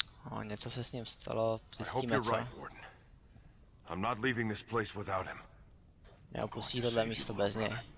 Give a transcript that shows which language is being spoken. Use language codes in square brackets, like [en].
[cs] No, něco se s ním stalo, zjistíme co. [en] I'm not leaving this place without him. [cs] Neopustí tohle místo bez něj.